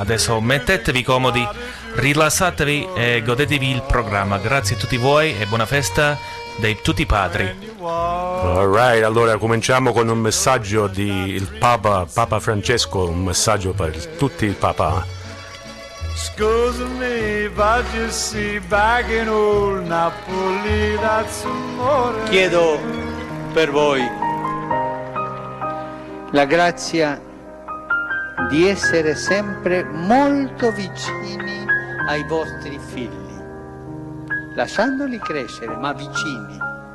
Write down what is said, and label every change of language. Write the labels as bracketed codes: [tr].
[it] Adesso mettetevi comodi, rilassatevi e godetevi il programma. Grazie a tutti voi e buona festa dei tutti i padri. [en] All right, [it] allora cominciamo con un messaggio di il Papa, Papa Francesco, un messaggio per tutti il Papa. Scusa me, [en] but you see back in old Napoli, that's amore. [it] Chiedo per voi la grazia di essere sempre molto vicini ai vostri figli, lasciandoli crescere, ma vicini.